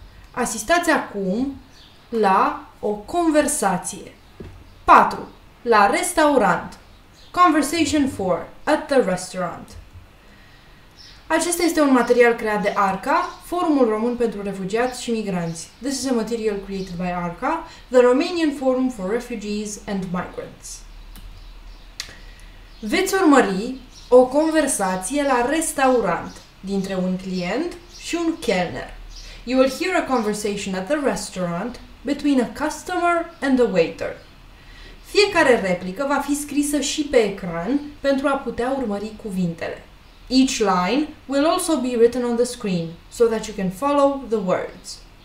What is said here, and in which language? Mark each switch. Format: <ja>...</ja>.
<ro>Asistați acum la o conversație. 4. La restaurant.</ro> <en>Conversation 4. At the restaurant.</en> <ro>Acesta este un material creat de ARCA, Forumul Român pentru Refugiați și Migranți.</ro> <en>This is a material created by ARCA, the Romanian Forum for Refugees and Migrants.</en> <ro>Veți urmări o conversație la restaurant dintre un client și un chelner.</ro> <en>You will hear a conversation at the restaurant between a customer and a waiter.</en> <ro>Fiecare replică va fi scrisă și pe ecran pentru a putea urmări cuvintele.</ro> <en>Each line will also be written on the screen so that you can follow the words.</en>